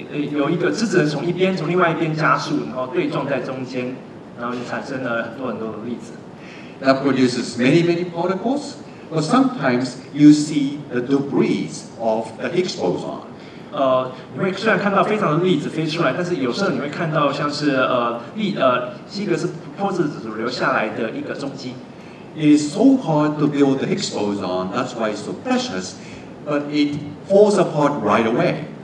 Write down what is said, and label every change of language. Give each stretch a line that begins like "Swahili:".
Chinese: 有一个质子从一边从另外一边加速，然后对撞在中间，然后就产生了很多很多的粒子。
English: That produces many many particles, but sometimes you see the debris of the Higgs boson.
Chinese: 你会虽然看到非常的粒子飞出来，但是有时候你会看到像是希格斯波质子所留下来的一个踪迹。
English: It is so hard to build the Higgs boson, that's why it's so precious, but it falls apart right away.